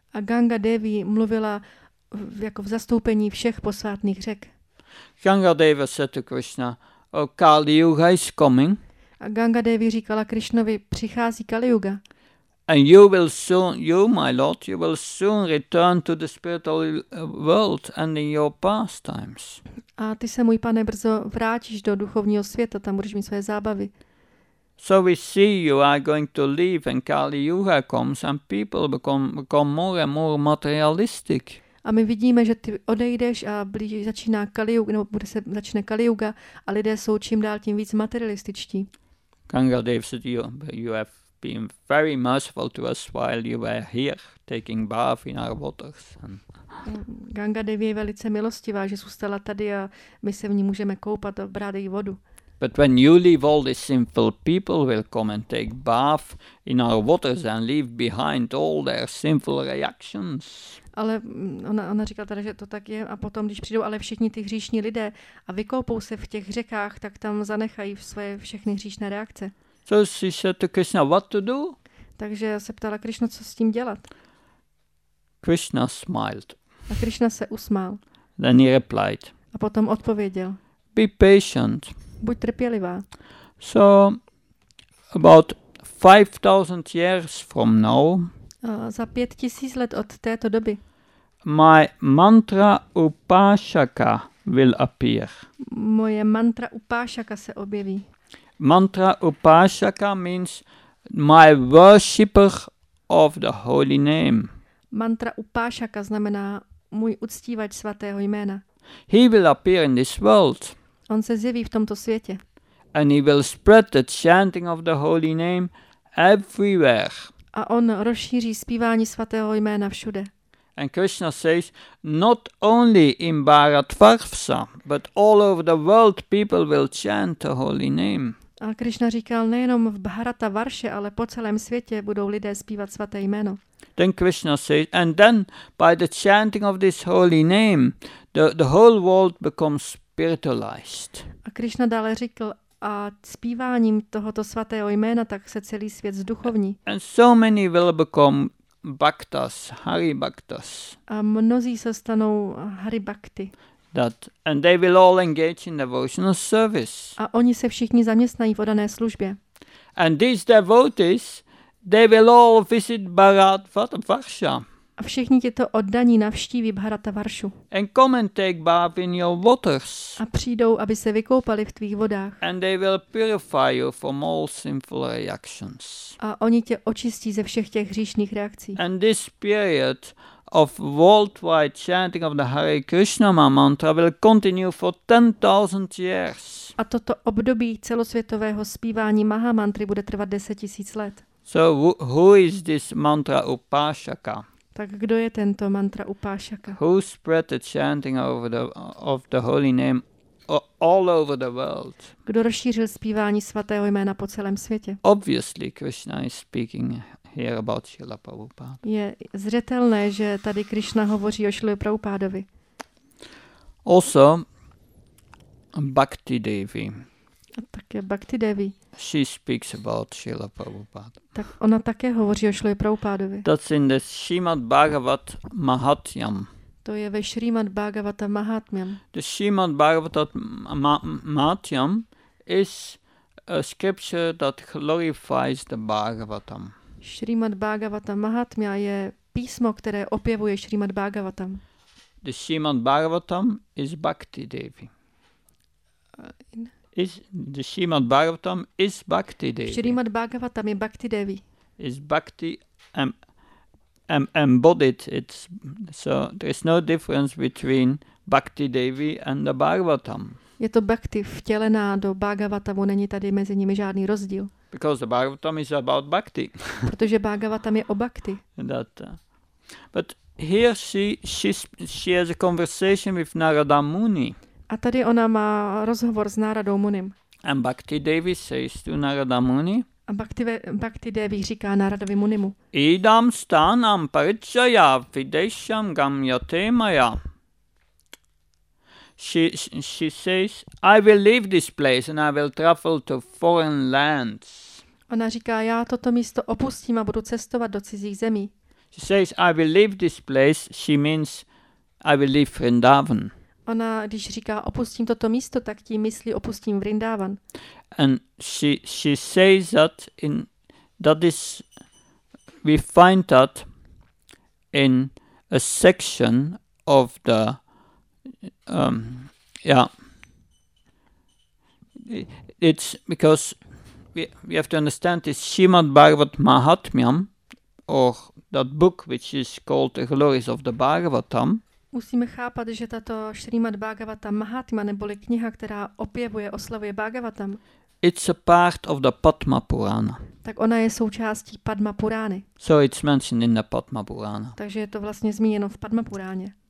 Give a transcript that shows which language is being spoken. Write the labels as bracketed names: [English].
[Czech] A Ganga Devi mluvila jako v zastoupení všech posvátných řek. [English] Ganga Deva said to Krishna, oh, Kali Yuga is coming. [Czech] A Ganga Devi říkala Krishnovi, přichází Kali Yuga. [English] And you will soon, you, my lord, you will soon return to the spiritual world and in your pastimes. [Czech] A ty se, můj pane, brzo vrátíš do duchovního světa, tam budeš mít své zábavy. [English] So we see you are going to leave and Kali Yuga comes and people become more and more materialistic. [Czech] A my vidíme, že ty odejdeš a blíží začíná Kali Yuga, nebo bude se začne Kali Yuga a lidé jsou čím dál tím víc materialističtí. [English] Ganga Devi said, you have been very merciful to us while you were here taking bath in our waters. [Czech] Ganga Devi je velice milostivá, že zůstala tady a my se v ní můžeme koupat a brát její vodu. [English] But when you leave, all these sinful people will come and take bath in our waters and leave behind all their sinful reactions. [Czech] Ale ona říkala teda, že to tak je a potom, když přijdou ale všichni ty hříšní lidé a vykoupou se v těch řekách, tak tam zanechají svoje všechny hříšné reakce. [English] So she said to Krishna, what to do? [Czech] Takže se ptala Krishna, co s tím dělat. [English] Krishna smiled. [Czech] A Krishna se usmál. [English] Then he replied. [Czech] A potom odpověděl. [English] Be patient. [Czech] Buď trpělivá. [English] So about 5000 years from now. [Czech] Za 5000 let od této doby. [English] My mantra upášaka will appear. [Czech] Moje mantra upášaka se objeví. [English] Mantra upášaka means my worshipper of the holy name. [Czech] Mantra upášaka znamená můj uctívač svatého jména. [English] He will appear in this world. [Czech] On se zjeví v tomto světě. [English] And he will spread the chanting of the holy name everywhere. [Czech] A on rozšíří zpívání svatého jména všude. [English] And Krishna says, not only in Bharatvarsha, but all over the world people will chant the holy name. [Czech] A Krishna říkal, nejenom v Bharatvarše, ale po celém světě budou lidé zpívat svaté jméno. [English] Then Krishna says, and then by the chanting of this holy name, the whole world becomes spiritualized. [Czech] A Krishna dále říkal, a zpíváním tohoto svatého jména, tak se celý svět zduchovní. [English] And so many will become bhaktas, hari bhaktas. [Czech] A mnozí se stanou hari bhakti. [English] That, and they will all engage in devotional service. [Czech] A oni se všichni zaměstnají v odané službě. [English] And these devotees, they will all visit Bharatvarsha. [Czech] A všichni tyto oddaní navštíví Bharatvarshu. [English] And come and take bath in your waters. [Czech] A přijdou, aby se vykoupali v tvých vodách. [English] And they will purify you from all sinful reactions. [Czech] A oni tě očistí ze všech těch hříšných reakcí. [English] And this period of worldwide chanting of the Hare Krishna mantra will continue for 10,000 years. [Czech] A toto období celosvětového zpívání Mahamantry bude trvat 10 000 let. [English] So who is this mantra upashaka? [Czech] Tak kdo je tento mantra upášaka? [English] Who spread the chanting of the holy name all over the world? [Czech] Kdo rozšířil zpívání svatého jména po celém světě? [English] Obviously Krishna is speaking here about Srila Prabhupada. [Czech] Je zřetelné, že tady Krishna hovoří o Srila Prabhupádovi. [English] Also Bhakti Devi. [Czech] A také Bhakti Devi. [English] She speaks about Srila Prabhupada. [Czech] Tak ona také hovoří o Srila Prabhupádovi. [English] That's in the Srimad Bhagavat Mahatmyam. [Czech] To je ve Srimad Bhagavat Mahatmyam. [English] The Srimad Bhagavat Mahatmyam is a scripture that glorifies the Bhagavatam. [Czech] Srimad Bhagavat Mahatmyam je písmo, které opěvuje Srimad Bhagavatam. [English] The Srimad Bhagavatam is Bhakti Devi. The Srimad Bhagavatam is Bhakti Devi. [Czech] Srimad Bhagavatam je Bhakti Devi. [English] Is Bhakti embodied. It's, so there is no difference between Bhakti Devi and the Bhagavatam. [Czech] Je to Bhakti vtělená do Bhagavatamu, není tady mezi nimi žádný rozdíl. [English] Because the Bhagavatam is about Bhakti. [Czech] Protože Bhagavatam je o Bhakti. [English] That, but here she has a conversation with Narada Muni. [Czech] A tady ona má rozhovor s Náradou Munim. [English] And Bhakti Devi says to Narada Muni. [Czech] A Bhakti Devi říká Náradovi Munimu. [Sanskrit] Idam stanam parichaya videsham gamyate maya. [English] She says, I will leave this place and I will travel to foreign lands. [Czech] Ona říká, já toto místo opustím a budu cestovat do cizích zemí. [English] She says, I will leave this place. She means, I will leave Vrindavan. [Czech] Ona, když říká, opustím toto místo, tak tím myslí, opustím Vrindavan. [English] And she says that in that is, we find that in a section of the it's because we have to understand this Srimad Bhagavat Mahatmyam or that book which is called The Glories of the Bhagavatam. [Czech] Musíme chápat, že tato Srimad Bhagavatam Mahatmya neboli kniha, která opěvuje, oslavuje Bhagavatam. [English] It's a part of the Padma Purana. [Czech] Tak ona je součástí Padma Purány. [English] So it's mentioned in the Padma Purana. [Czech] Takže je to vlastně zmíněno v Padma Puráně.